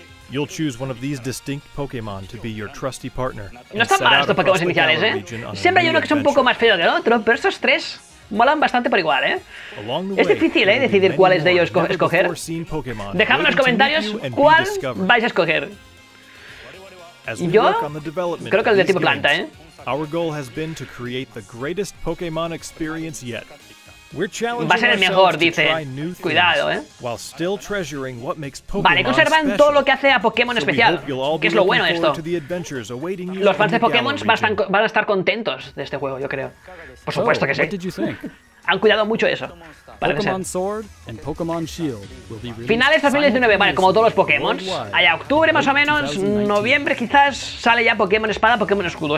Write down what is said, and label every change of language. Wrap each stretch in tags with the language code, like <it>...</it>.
<en>You'll choose one of these distinct Pokémon to be your trusty partner.</en> <es>No están mal estos Pokémon iniciales, ¿eh? Siempre hay uno que es un poco más feo que el otro, pero estos tres molan bastante por igual, ¿eh? Es difícil, ¿eh? Decidir cuál es de ellos escoger. Dejadme en los comentarios cuál vais a escoger. Yo creo que el de tipo planta, ¿eh?</es> <en>Our goal has been to create the greatest Pokémon experience yet. We're challenging ourselves to try new things.</en> <es>Va a ser el mejor, dice. Cuidado, ¿eh?</es> <en>While still treasuring what makes Pokémon</en> <es>special. Vale, conservan todo lo que hace a Pokémon especial. Que es lo bueno esto. Los fans de Pokémon van a estar contentos de este juego, yo creo. Por supuesto que sí. Han cuidado mucho eso.</es> <en>Pokémon Sword and Pokémon Shield will be released.</en> <es>Finales 2019, vale, como todos los Pokémon. Allá octubre más o menos, noviembre quizás sale ya Pokémon Espada, Pokémon Escudo.</es>